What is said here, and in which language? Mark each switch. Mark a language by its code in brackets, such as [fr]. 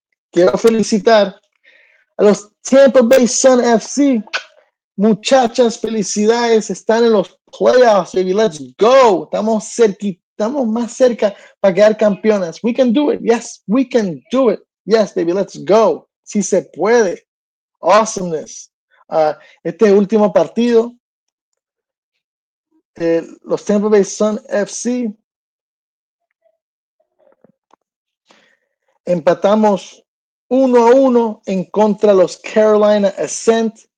[es] Quiero felicitar a los Tampa Bay Sun FC. Muchachas, felicidades, están en los playoffs, [en] baby, let's go. [es] Estamos cerquita, estamos más cerca para quedar campeonas. [en] We can do it, yes, we can do it. Yes, baby, let's go. [es] Sí se puede. [en] Awesomeness. [es] Este último partido, los Tampa Bay Sun FC, empatamos 1-1 en contra de los Carolina Ascent.